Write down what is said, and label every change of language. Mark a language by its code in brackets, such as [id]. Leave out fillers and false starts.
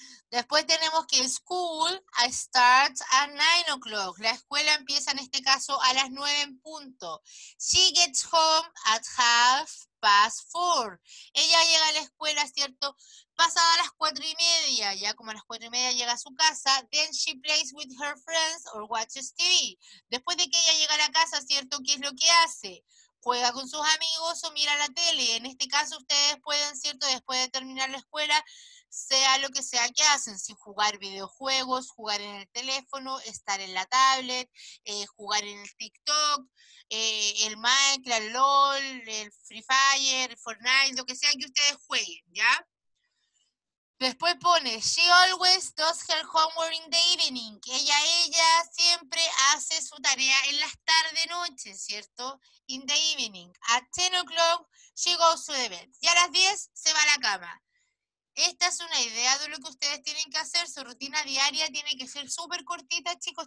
[es] Después tenemos que [en] school starts at 9:00. [es] La escuela empieza en este caso a 9:00. [en] She gets home at 4:30. [es] Ella llega a la escuela, ¿cierto? Pasada 4:30, ya como a 4:30 llega a su casa. [en] Then she plays with her friends or watches TV. [es] Después de que ella llega a la casa, ¿cierto? ¿Qué es lo que hace? Juega con sus amigos o mira la tele. En este caso ustedes pueden, ¿cierto? Después de terminar la escuela, sea lo que sea que hacen, si jugar videojuegos, jugar en el teléfono, estar en la tablet, jugar en el TikTok, el Minecraft, el LOL, el Free Fire, el Fortnite, lo que sea que ustedes jueguen, ¿ya? Después pone, [en] she always does her homework in the evening. [es] Ella siempre hace su tarea en las tarde-noches, ¿cierto? [en] In the evening. At 10:00, she goes to the bed. [es] Y a 10:00, se va a la cama. Esta es una idea de lo que ustedes tienen que hacer. Su rutina diaria tiene que ser súper cortita, chicos.